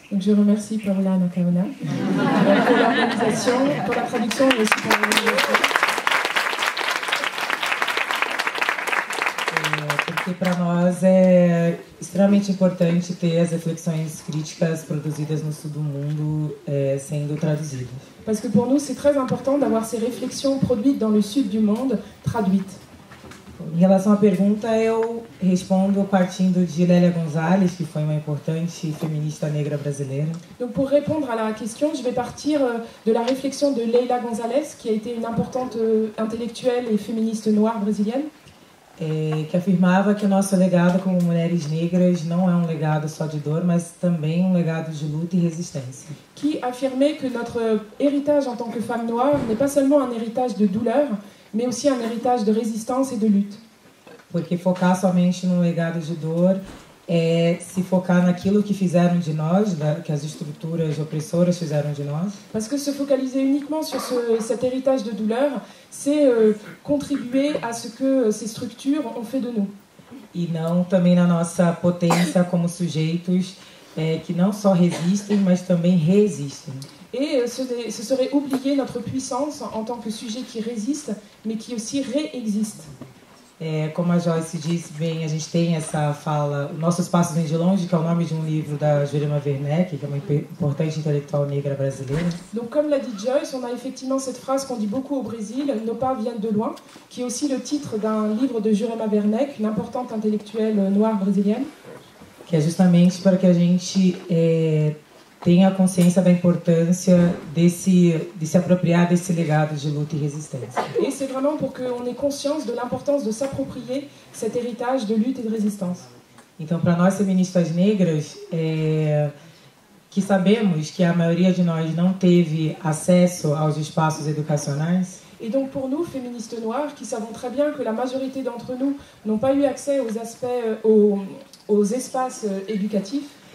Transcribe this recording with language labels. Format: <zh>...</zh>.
<fr>Donc je remercie Paula Nakaona pour l'organisation, pour la traduction et aussi pour l'organisation.</fr> <pt>Que para nós é extremamente importante ter as reflexões críticas produzidas no sul do mundo sendo traduzidas.</pt> <fr>Parce que pour nous c'est très important d'avoir ces réflexions produites dans le sud du monde traduites.</fr> <pt>Em relação à pergunta, eu respondo partindo de Lélia Gonzalez, que foi uma importante feminista negra brasileira.</pt> <fr>Donc pour répondre à la question, je vais partir de la réflexion de Leila Gonzalez, qui a été une importante intellectuelle et féministe noire brésilienne.</fr> <pt>Que afirmava que o nosso legado como mulheres negras não é um legado só de dor, mas também um legado de luta e resistência.</pt> <fr>Que afirmait que notre héritage en tant que femme noire n'est pas seulement un héritage de douleur, mais aussi un héritage de résistance et de lutte.</fr> <pt>Porque focar somente num legado de dor é se focar naquilo que fizeram de nós, que as estruturas opressoras fizeram de nós.</pt> <fr>Parce que se focaliser uniquement sur cet héritage de douleur, c'est contribuer à ce que ces structures ont fait de nous.</fr> <pt>E não também na nossa potência como sujeitos que não só resistem, mas também resistem.</pt> <fr>Et ce serait oublier notre puissance en tant que sujet qui résiste, mais qui aussi réexiste.</fr> <pt>Como a Joyce disse bem, a gente tem essa fala, O Nosso Espaço Vem de Longe, que é o nome de um livro da Jurema Werneck, que é uma importante intelectual negra brasileira.</pt> <fr>Donc, comme l'a dit Joyce, on a effectivement cette phrase qu'on dit beaucoup au Brésil, Nos pas viennent de loin, qui est aussi le titre d'un livre de Jurema Werneck, une importante intellectuelle noire brésilienne.</fr> <pt>Que é justamente para que a gente tenha consciência da importância de se apropriar desse legado de luta e resistência.</pt> <fr>E c'est vraiment pour que on ait conscience de l'importance de s'approprier cet héritage de lutte et de résistance.</fr> <pt>Então, para nós feministas negras, que sabemos que a maioria de nós não teve acesso aos espaços educacionais.</pt> <fr>E donc pour nous féministes noires qui savons très bien que la majorité d'entre nous n'ont pas eu accès aux espaces éducatifs.</fr>